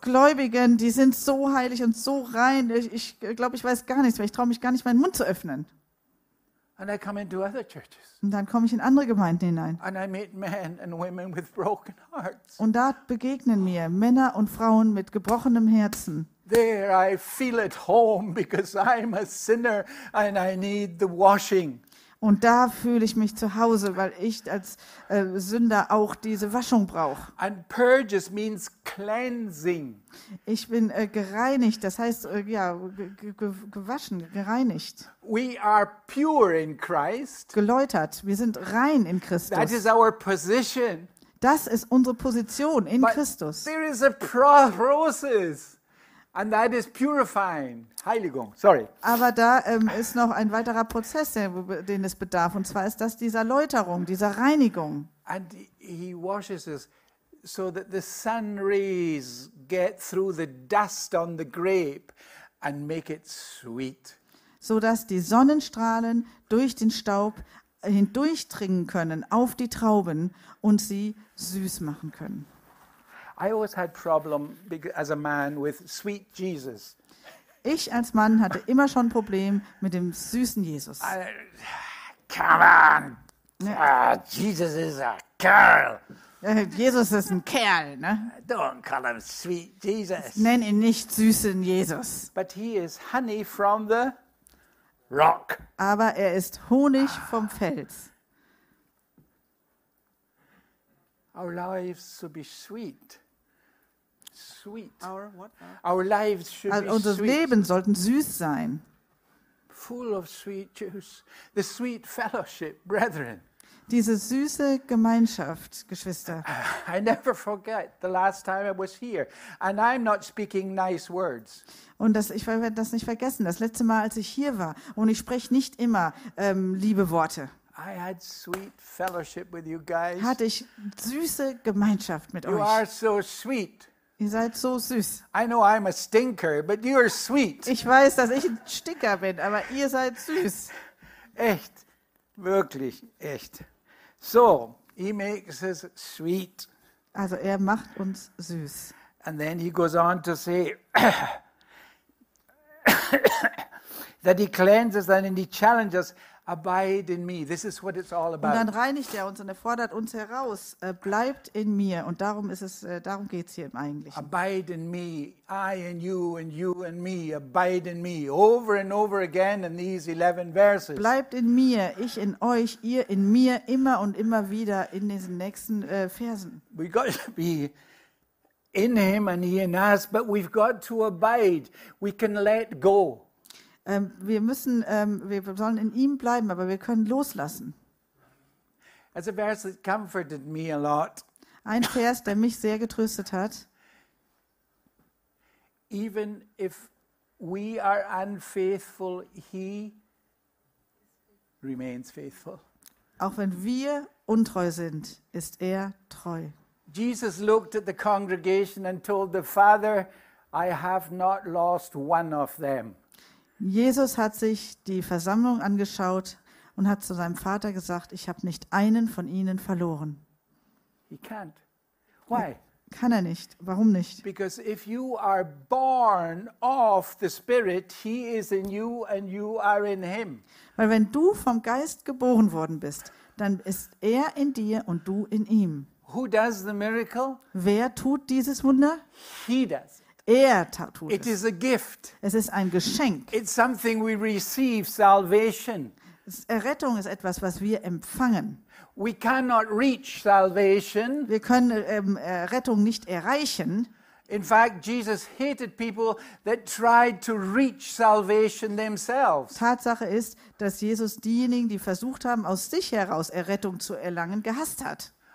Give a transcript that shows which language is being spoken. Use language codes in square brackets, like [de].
[de] Gläubigen, die sind so heilig und so rein. Ich glaube, ich weiß gar nichts mehr. Ich traue mich gar nicht, meinen Mund zu öffnen. [en] And I come into other churches. [de] Und dann komme ich in andere Gemeinden hinein. [en] And I meet men and women with broken hearts. [de] Und da begegnen mir Männer und Frauen mit gebrochenem Herzen. [en] There I feel at home because I'm a sinner and I need the washing. [de] Und da fühle ich mich zu Hause, weil ich als Sünder auch diese Waschung brauche. [en] And purges means cleansing. [de] Ich bin gereinigt, das heißt gewaschen, gereinigt. [en] We are pure in Christ. [de] Geläutert, wir sind rein in Christus. [en] That is our position. [de] Das ist unsere Position in [en] But [de] Christus. [en] There is a process. And that is purifying, Heiligung, sorry. [de] Aber da ist noch ein weiterer Prozess, den es bedarf. Und zwar ist das dieser Läuterung, dieser Reinigung. [en] And he washes us so that the sun rays get through the dust on the grape and make it sweet. [de] So dass die Sonnenstrahlen durch den Staub hindurchdringen können auf die Trauben und sie süß machen können. [en] I always had problem as a man with sweet Jesus. [de] Ich als Mann hatte immer schon ein Problem mit dem süßen Jesus. [en] Come on. Ja. Jesus is a girl. [de] Jesus ist ein Kerl, ne? [en] Don't call him sweet Jesus. [de] Nenn ihn nicht süßen Jesus. [en] But he is honey from the rock. [de] Aber er ist Honig vom Fels. [en] Our lives should be sweet. Sweet. Our what? Our lives should [de] also [en] be [de] unser [en] sweet. [de] Leben sollten süß sein. [en] Full of sweet juice. The sweet fellowship, brethren. [de] Diese süße Gemeinschaft, Geschwister. [en] I never forget the last time I was here. And I'm not speaking nice words. [de] Und das, ich werde das nicht vergessen. Das letzte Mal, als ich hier war. Und ich spreche nicht immer liebe Worte. [en] I had sweet fellowship with you guys. [de] Hatte ich süße Gemeinschaft mit [en] you [de] euch. [en] You are so sweet. [de] Ihr seid so süß. [en] I know I'm a stinker, but you're sweet. [de] Ich weiß, dass ich ein Stinker bin, aber ihr seid süß. Echt, wirklich, echt. [en] So, he makes us sweet. [de] Also er macht uns süß. [en] And then he goes on to say that he cleanses and he challenges, abide in me. This is what it's all about. [de] Und dann reinigt er uns und er fordert uns heraus. Bleibt in mir. Und darum ist es, darum geht's hier eigentlich. [en] Abide in me. I and you and me. Abide in me. Over and over again in these 11 verses. [de] Bleibt in mir. Ich in euch. Ihr in mir. Immer und immer wieder in diesen nächsten Versen. [en] We got to be in him and he in us, but we've got to abide. We can let go. [de] Wir sollen in ihm bleiben, aber wir können loslassen. [en] As a verse that comforted me a lot. [de] Ein Vers, der mich sehr getröstet hat. [en] Even if we are unfaithful, he remains faithful. [de] Auch wenn wir untreu sind, ist er treu. [en] Jesus looked at the congregation and told the Father, I have not lost one of them. [de] Jesus hat sich die Versammlung angeschaut und hat zu seinem Vater gesagt, ich habe nicht einen von ihnen verloren. [en] He can't. Why? [de] Kann er nicht. Warum nicht? [en] Because if you are born of the Spirit, he is in you and you are in him. [de] Weil wenn du vom Geist geboren worden bist, dann ist er in dir und du in ihm. [en] Who does the miracle? [de] Wer tut dieses Wunder? [en] He does. [de] Er tut es. [en] It is a gift. [de] Es ist ein Geschenk. [en] It's something we receive, salvation. [de] Errettung ist etwas, was wir empfangen. [en] We cannot reach salvation. [de] Wir können Errettung nicht erreichen. [en] In fact, Jesus hated people that tried to reach salvation themselves. [de] Tatsache ist, dass Jesus diejenigen, die versucht haben, aus sich heraus Errettung zu erlangen, gehasst hat.